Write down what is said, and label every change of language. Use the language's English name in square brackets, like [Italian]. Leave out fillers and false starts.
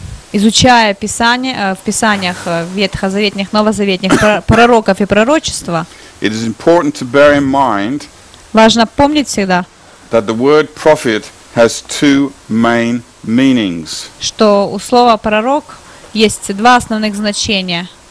[Russian] Изучая Писание в Писаниях ветхозаветных, новозаветных пророков и пророчества. [English] It is important to bear in mind. [Russian] Важно помнить всегда. [English] That the word prophet has two main meanings. [Russian] Что у слова пророк есть два основных значения.